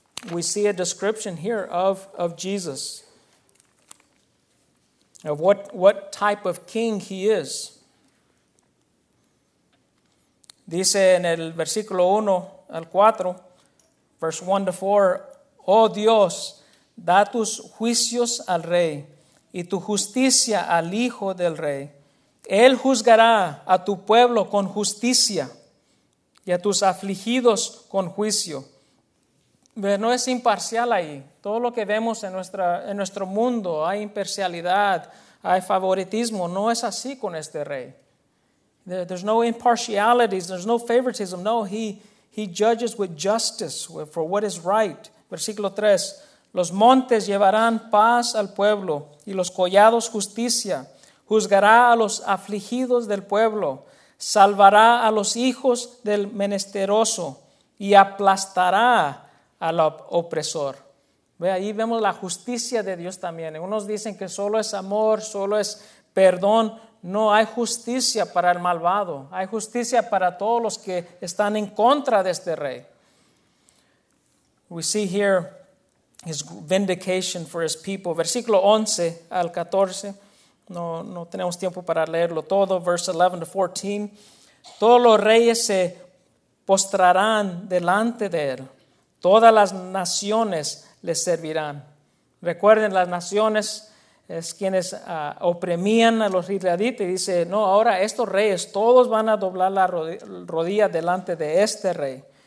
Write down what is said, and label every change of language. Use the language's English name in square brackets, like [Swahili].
[English] We see a description here of Jesus. Of what type of king he is. [Spanish] Dice en el versículo 1 al 4, [English] verse 1 to 4, [Spanish] oh Dios, da tus juicios al rey y tu justicia al hijo del rey. Él juzgará a tu pueblo con justicia y a tus afligidos con juicio. No es imparcial ahí. Todo lo que vemos en nuestro mundo, hay imparcialidad, hay favoritismo. No es así con este rey. [English] There's no impartialities, there's no favoritism. No, he judges with justice, for what is right. [Spanish] Versículo 3, los montes llevarán paz al pueblo y los collados justicia. Juzgará a los afligidos del pueblo, salvará a los hijos del menesteroso y aplastará al opresor. Ahí vemos la justicia de Dios también. Unos dicen que solo es amor, solo es perdón. No, hay justicia para el malvado. Hay justicia para todos los que están en contra de este rey. [English] We see here his vindication for his people. [Spanish] Versículo 11 al 14. No tenemos tiempo para leerlo todo. [English] Verse 11 to 14. [Spanish] Todos los reyes se postrarán delante de él. Todas las naciones le servirán. Recuerden, las naciones es quienes oprimían a los israelitas. Y dice, no, ahora estos reyes todos van a doblar la rodilla delante de este rey.